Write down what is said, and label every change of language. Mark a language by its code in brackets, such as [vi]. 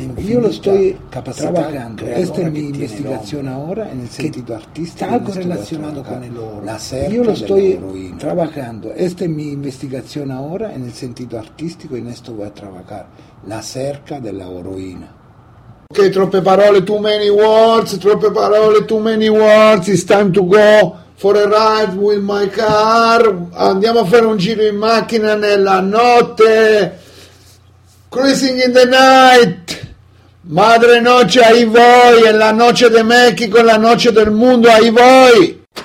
[es] Yo lo estoy trabajando, esta es mi investigación ahora en el sentido artístico, algo relacionado con el oro. Yo lo estoy trabajando, esta es mi investigación ahora en el sentido artístico, en esto voy a trabajar [it] la cerca della eroina. [en] Ok, [it] troppe parole, [en] too many words, troppe parole, too many words. It's time to go for a ride with my car. [it] Andiamo a fare un giro in macchina nella notte. [en] Cruising in the night. [es] Madre noche, ahí voy. En la noche de México, en la noche del mundo, ahí voy.